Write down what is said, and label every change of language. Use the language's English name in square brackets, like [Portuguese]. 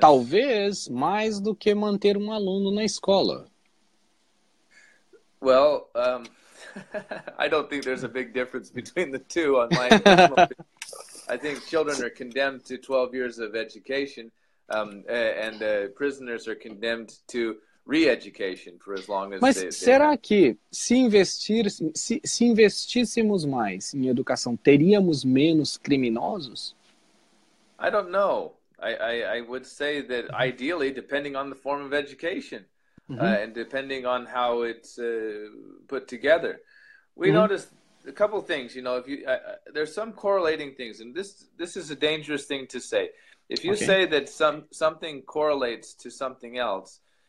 [Portuguese] Talvez mais do que manter aluno na escola. [English] Well, I don't think there's a big difference between the two on my. I think children are condemned to 12 years of education, and prisoners are condemned to re-education for as long as [Portuguese] Mas será que se investíssemos mais em educação, teríamos menos criminosos? [English] I don't know. I would say that ideally, depending on the form of education, and depending on how it's put together. We noticed a couple of things, there's some correlating things, and this is a dangerous thing to say. If you say that something correlates to something else,